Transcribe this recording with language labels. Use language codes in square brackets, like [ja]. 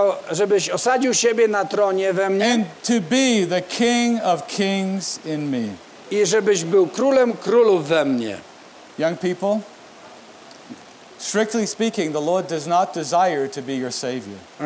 [pl] Żebyś osadził siebie na tronie we mnie. [en] And to be the King of Kings in me. [pl] I żebyś był królem królów we mnie. [en] Young people, strictly speaking, the Lord does not desire to be your savior.